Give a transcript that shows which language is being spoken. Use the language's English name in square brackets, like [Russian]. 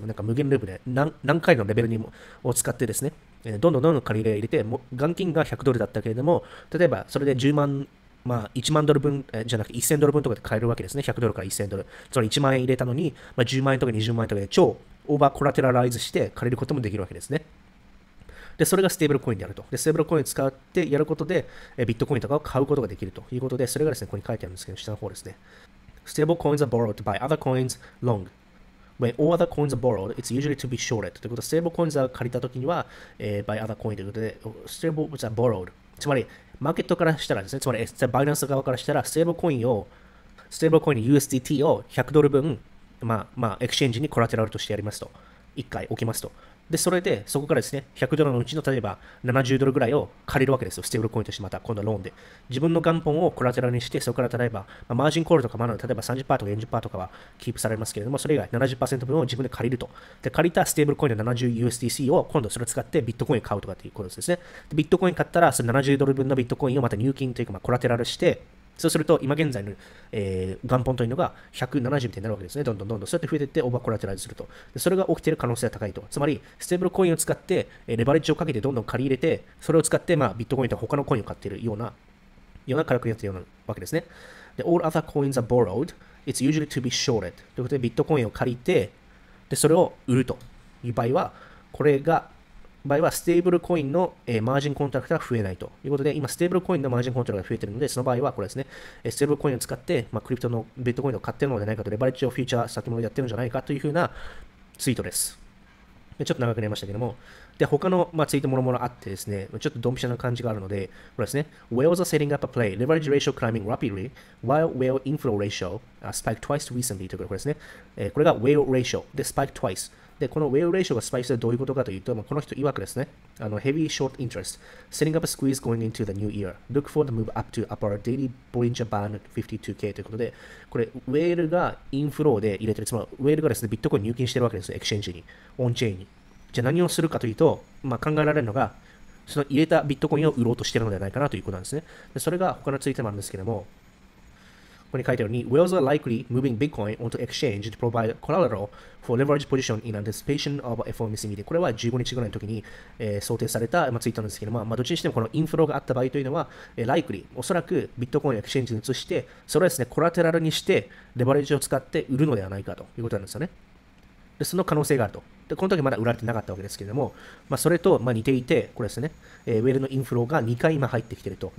[Japanese] 無限ループで何回のレベルにもを使ってですね、どんどんどんどん借り入れ入れて、もう、元金が100ドルだったけれども、例えばそれで10万、1万ドル分、じゃなくて1000ドル分とかで買えるわけですね。100ドルから1000ドル。つまり1万円入れたのに、10万円とか20万円とかで超オーバーコラテラライズして借りることもできるわけですね。で、それがステーブルコインであると。で、ステーブルコインを使ってやることで、ビットコインとかを買うことができるということで、それがですね、ここに書いてあるんですけど、下の方ですね。ステーブルコインは [English] borrowed by other coins long. When all other coins are borrowed, it's usually to be shorted. [Japanese] ということで、ステーブルコインを借りたときには、 [English] by other coin [Japanese] ということで、ステーブルは borrowed。つまり、マーケットからしたらですね、つまり、バイナンス側からしたら、ステーブルコインの USDT を100ドル分、エクシェンジにコラテラルとしてやりますと。1回置きますと。で、それで、そこからですね、100ドルのうちの、例えば、70ドルぐらいを借りるわけですよ。ステーブルコインとして、また、今度はローンで。自分の元本をコラテラルにして、そこから、例えば、マージンコールとかもあるので、例えば 30% とか 40% とかはキープされますけれども、それ以外 70% 分を自分で借りると。で、借りたステーブルコインの 70USDC を、今度それを使ってビットコインを買うとかっていうことですね。で、ビットコイン買ったら、その70ドル分のビットコインをまた入金というか、コラテラルして、そうすると、今現在の、元本というのが170みたいになるわけですね。どんどんどんどん。そうやって増えていって、オーバーコラテライズすると。それが起きている可能性が高いと。つまり、ステーブルコインを使って、レバレッジをかけてどんどん借り入れて、それを使って、まあ、ビットコインと他のコインを買っているような、ようなからくりになっているようなわけですね。 [English] で、all other coins are borrowed. It's usually to be shorted. [Japanese] ということで、ビットコインを借りて、で、それを売るという場合は、これが、場合は、ステーブルコインの、マージンコントラクトが増えないということで、今、ステーブルコインのマージンコントラクトが増えているので、その場合は、これですね、ステーブルコインを使って、まあ、クリプトのビットコインを買っているのではないかと、レバレッジをフューチャー先物でやっているんじゃないかというふうなツイートです。でちょっと長くなりましたけども、で、他の、まあ、ツイートもろもろあってですね、ちょっとドンピシャな感じがあるので、これですね、 [English] Whales are setting up a play, leverage ratio climbing rapidly, while whale inflow ratio spiked twice recently [Japanese] ということですね、これが whale ratio で [English] spiked twice。 [Japanese] で、このウェイオレーションがスパイスはどういうことかというと、まあ、この人曰くですね、あの、ヘビーショートインテレスト、セッティングアップスクイーズゴイングイントゥーザニューイヤー、 [English] look for the move up to upper daily Bollinger band 52K [Japanese] ということで、これ、ウェールがインフローで入れてる、つまりウェールがですね、ビットコイン入金してるわけですよ、エクシェンジに、オンチェーンに。じゃあ何をするかというと、まあ、考えられるのが、その入れたビットコインを売ろうとしてるのではないかなということなんですね。でそれが他のツイートもあるんですけども、ここに書いてあるように、 [English] Whales are likely moving Bitcoin onto exchange to provide collateral for leverage position in anticipation of FOMC meeting. [Japanese] これは15日ぐらいの時に、想定された、まあ、ツイートなんですけども、まあ、どっちにしてもこのインフローがあった場合というのは、likely、おそらくビットコインをエクシェンジに移して、それをですね、コラテラルにして、レバレッジを使って売るのではないかということなんですよね。で、その可能性があると。で、この時まだ売られてなかったわけですけども、まあ、それと、まあ、似ていて、これですね、ウェールのインフローが2回今入ってきていると。